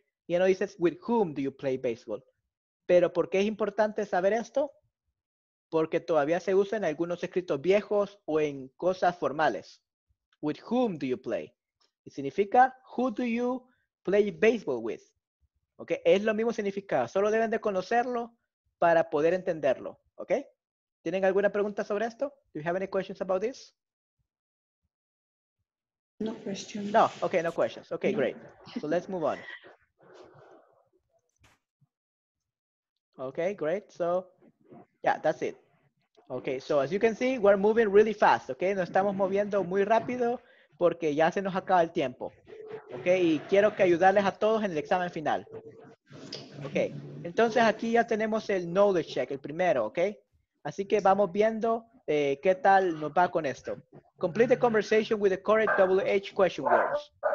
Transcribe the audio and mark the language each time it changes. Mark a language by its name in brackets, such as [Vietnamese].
[Spanish] Ya no dices [English] with whom do you play baseball. [Spanish] ¿Pero por qué es importante saber esto? Porque todavía se usa en algunos escritos viejos o en cosas formales. [English] With whom do you play? [Spanish] Y significa, [English] who do you play baseball with? [Spanish] ¿Ok? Es lo mismo significado. Solo deben de conocerlo para poder entenderlo. ¿Ok? ¿Tienen alguna pregunta sobre esto? [English] Do you have any questions about this? No questions. No, ok, no questions. Ok, no. Great. So let's move on. Okay, great. So, yeah, that's it. Okay, so as you can see, we're moving really fast, okay? [Spanish] Nos estamos moviendo muy rápido porque ya se nos acaba el tiempo. Okay, y quiero que ayudarles a todos en el examen final. Okay, entonces aquí ya tenemos el knowledge check, el primero, okay? Así que vamos viendo qué tal nos va con esto. [English] Complete the conversation with the correct WH question words.